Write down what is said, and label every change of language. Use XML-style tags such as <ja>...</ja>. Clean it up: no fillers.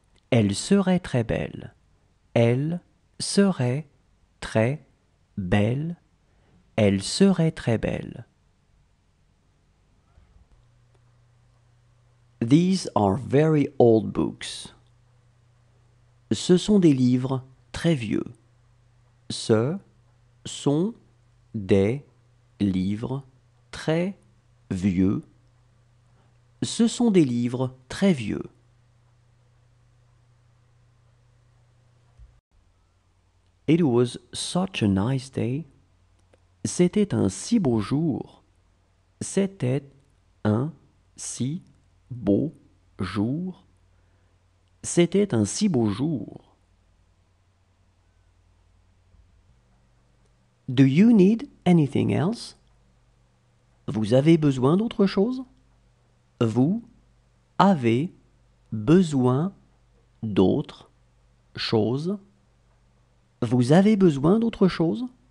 <fr>Elle serait très belle. Elle serait très belle. Elle serait très belle.</fr> <en>These are very old books.</en> <fr>Ce sont des livres très vieux. Ce sont des livres très vieux. Ce sont des livres très vieux.</fr> <en>It was such a nice day.</en> <fr>C'était un si beau jour. C'était un si beau jour. C'était un si beau jour.</fr> <en>Do you need anything else?</en> <fr>Vous avez besoin d'autre chose? Vous avez besoin d'autre chose? Vous avez besoin d'autre chose?</fr>